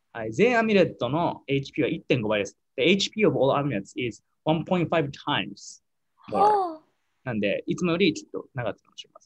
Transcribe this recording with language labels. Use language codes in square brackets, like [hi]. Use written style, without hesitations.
[ja] 全アミュレットの HP は 1.5 倍です。 [en] The HP of all amulets is 1.5 times more. [ja] なんで、いつもよりちょっと長くなります。